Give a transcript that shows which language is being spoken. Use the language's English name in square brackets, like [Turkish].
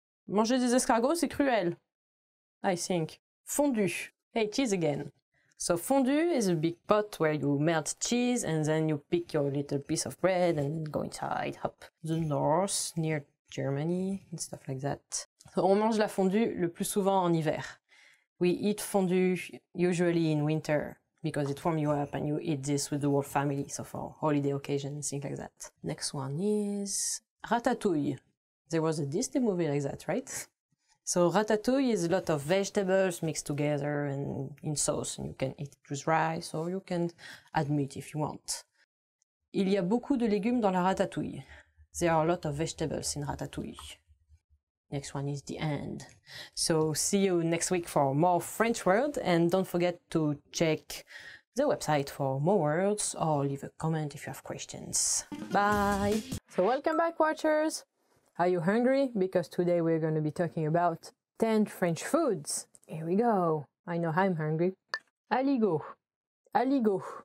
[French] Manger des escargots, c'est cruel. [English] I think. Fondue. Hey, cheese again. So fondue is a big pot where you melt cheese and then you pick your little piece of bread and go inside, hop. The north, near Germany, and stuff like that. [French] So on mange la fondue le plus souvent en hiver. [English] We eat fondue usually in winter because it warms you up and you eat this with the whole family, so for holiday occasions, things like that. Next one is ratatouille. There was a Disney movie like that, right? So ratatouille is a lot of vegetables mixed together and in sauce, and you can eat it with rice or you can add meat if you want. [French] Il y a beaucoup de légumes dans la ratatouille. [English] There are a lot of vegetables in ratatouille. Next one is the end. So see you next week for more French words, and don't forget to check the website for more words or leave a comment if you have questions. Bye! So welcome back, watchers! Are you hungry? Because today we're going to be talking about 10 French foods. Here we go. I know I'm hungry. Aligot.